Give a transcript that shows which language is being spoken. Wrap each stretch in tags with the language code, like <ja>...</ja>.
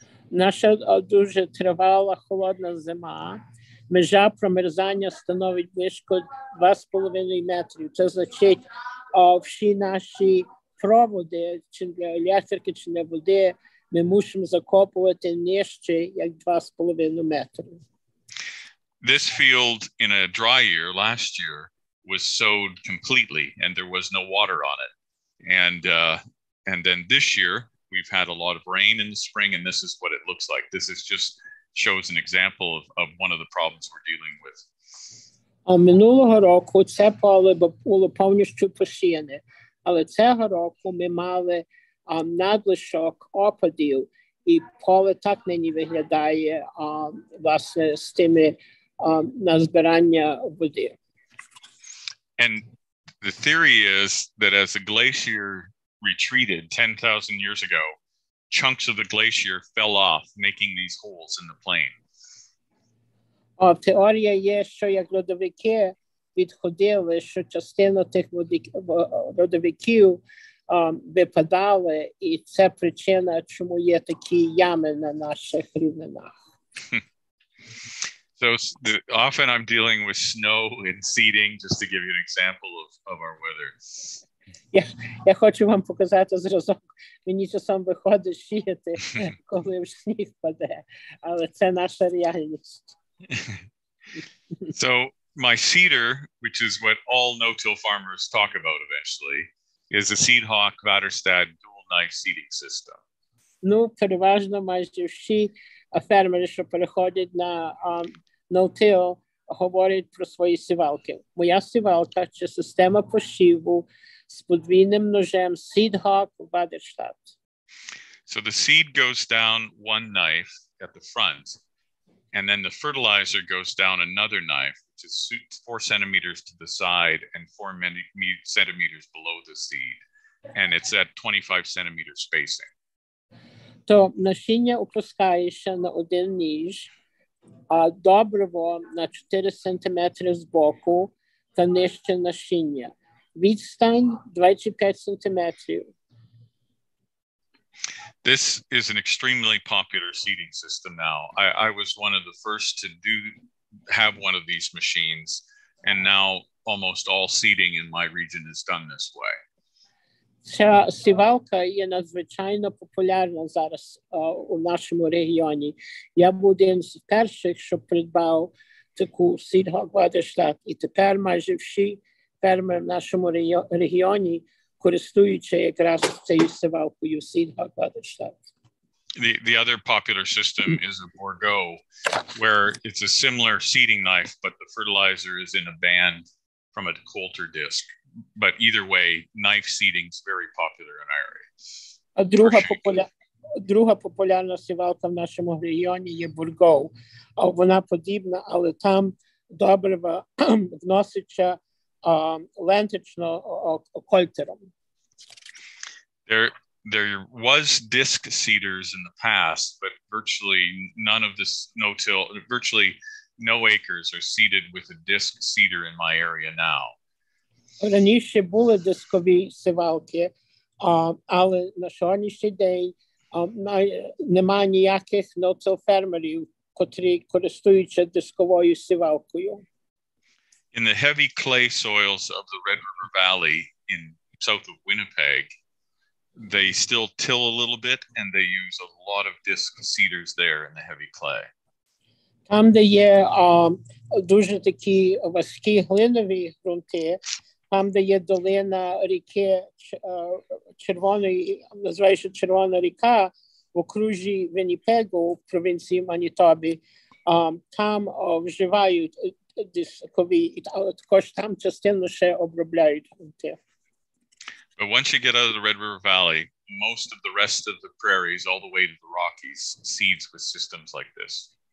<uk>Наша дуже тривала холодна зима. Межа промерзання становить близько 2,5 метрів. Це значить, всі наші проводи, чи для електрики, чи для води, ми мусимо закопувати нижче, як 2,5 метри.</uk> <en>This field in a dry year last year was sowed completely and there was no water on it. And then this year we've had a lot of rain in the spring and this is what it looks like. This is just shows an example of one of the problems we're dealing with.</en> <uk>Минулого року це поле було повністю посіяне, але цього року ми мали надлишок опадів і поле так нині виглядає власне з тими на збирання води.</uk> <en>And the theory is that as the glacier retreated 10,000 years ago, chunks of the glacier fell off, making these holes in the plain.</en> <uk>А в теорії є, що як льодовики відходили, що частина тих льодовиків випадали, і це причина, чому є такі ями на наших рівнинах.</uk> <en>So often I'm dealing with snow and seeding, just to give you an example of our weather.</en> <uk>Я хочу вам показати зразок. Мені часом виходить сіяти, коли в сніг паде. Але це наша реальність.</uk> <en>So my seeder, which is what all no-till farmers talk about eventually, is a Seedhawk Vaterstad dual knife seeding system.</en> <uk>Ну, переважно майже всі фермери, що переходять на ноутил, говорять про свої сівалки. Моя сівалка – це система посіву з подвійним ножем Seedhawk Vaterstad.</uk> <en>So the seed goes down one knife at the front, and then the fertilizer goes down another knife, which is 4 centimeters to the side and 4 centimeters below the seed. And it's at 25-centimeter spacing.</en> <uk>То насіння опускається на один ніж, а добриво на 4 сантиметри збоку та нижче насіння. Відстань 25 сантиметрів.</uk> <en>This is an extremely popular seeding system now. I was one of the first to have one of these machines, and now almost all seeding in my region is done this way.</en> <uk>Ця сівалка є надзвичайно популярна зараз у нашому регіоні. Я був один з перших, що придбав таку Seedhawk Vaterstad, і тепер майже всі фермери в нашому регіоні користуються якраз цією сівалкою Seedhawk Vaterstad.</uk> <en>The other popular system is a Borgo, where it's a similar seeding knife, but the fertilizer is in a band from a coulter disc. But either way, knife seeding is very popular in our area.</en> <uk>Друга популярна сівалка в нашому регіоні є Borgo. Вона подібна, але там добрива вноситься ленточно кольтером.</uk> <en>There was disc seeders in the past, but virtually no acres are seeded with a disc seeder in my area now.</en> <uk>Раніше були дискові сівалки, але на сьогоднішній день немає ніяких no-till фермерів, котрі користуються дисковою сівалкою.</uk> <en>In the heavy clay soils of the Red River Valley in south of Winnipeg, they still till a little bit and they use a lot of disc seeders there in the heavy clay.</en> <uk>Там, де є дуже такі важкі глинові ґрунти, там, де є долина ріки Червоної, називається Червона ріка, в окружжі Вінніпегу, в провінції Манітобі, там вживають дискові, але також там частину ще обробляють ґрунти.</uk> <en>But once you get out of the Red River Valley, most of the rest of the prairies, all the way to the Rockies, seeds with systems like this.</en>